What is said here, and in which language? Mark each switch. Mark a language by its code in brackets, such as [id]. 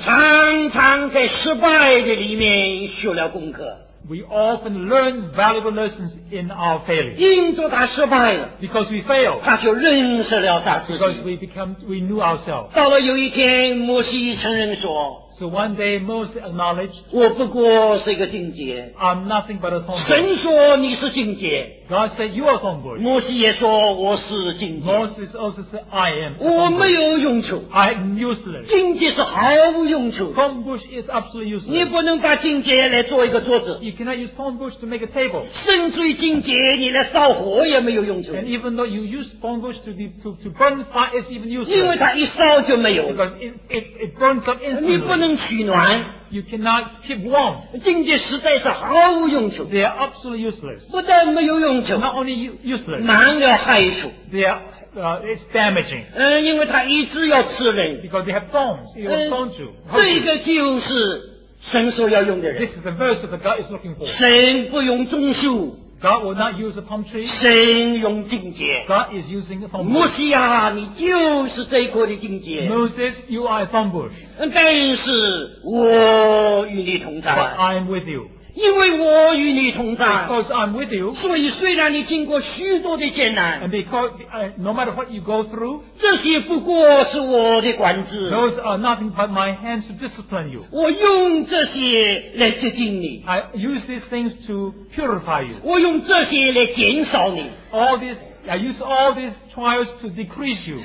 [zh] 常常在失败的里面学了功课。 [en] We often learn valuable lessons in our failure. [zh] 因着他失败了。 [en] Because we failed. [zh] 他就认识了他自己。 [en] Because we knew ourselves. [zh] 到了有一天，摩西承认说。 [en] So one day Moses acknowledged. [zh] 我不过是一个荆棘。 [en] I'm nothing but a thorn bush. [zh] 神说你是荆棘。 [en] God said you are thorn bush. [zh] 摩西也说我是荆棘。 [en] Moses also said I am. [zh] 我没有用处。 [en] I am useless. [zh] 荆棘是毫无用处。 [en] Thorn bush is absolutely useless. [zh] 你不能把荆棘来做一个桌子。 [en] You cannot use thorn bush to make a table. [zh] 甚至于荆棘你来烧火也没有用处。 [en] And even though you use thorn bush to burn fire, it's even useless. [zh] 因为它一烧就没有。 [en] Because it burns up instantly. [zh] 你不能取暖。 [en] You cannot keep warm. [zh] 荆棘实在是毫无用处。 [en] They are absolutely useless. [zh] 不但没有用处。 [en] Not only useless. [zh] 满了害处。 [en] They are, it's damaging. [zh] 因为它一直要吃人。 [en] Because they have thorns. It will thorn you. [zh] 这个就是神所要用的人。 [en] This is the verse that God is looking for. [zh] 神不用棕树。 [en] God will not use a palm tree. [zh] 神用荆棘。 [en] God is using a palm tree. [zh] 摩西啊，你就是这一棵的荆棘。 [en] Moses, you are a thorn bush. [zh] 但是我与你同在。 [en] But I am with you. [zh] 因为我与你同在。 [en] Because I'm with you. [zh] 所以虽然你经过许多的艰难。 [en] And because, no matter what you go through. [zh] 这些不过是我的管制。 [en] Those are nothing but my hands to discipline you. [zh] 我用这些来洁净你。 [en] I use these things to purify you. [zh] 我用这些来减少你。 [en] I use all these trials to decrease you.